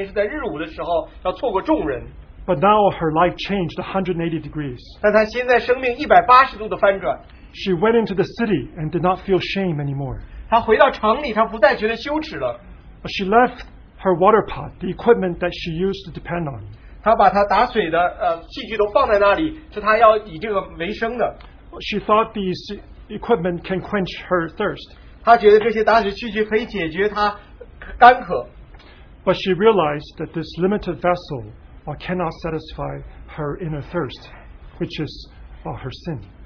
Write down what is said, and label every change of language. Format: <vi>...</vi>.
<zh>大家记得在起初的时候,她来到水井旁边是在日午的时候,要错过众人。</zh> <en>But now her life changed 180 degrees.</en> <zh>但她现在生命180度的翻转。</zh> <en>She went into the city and did not feel shame anymore.</en> <zh>她回到城里,她不再觉得羞耻了。</zh> <en>She left her water pot, the equipment that she used to depend on.</en> <zh>她把她打水的器具都放在那里,是她要以这个为生的。</zh> <en>She thought these equipment can quench her thirst.</en> <zh>她觉得这些打水器具可以解决她干渴。</zh> <en>But she realized that this limited vessel cannot satisfy her inner thirst, which is her sin.</en>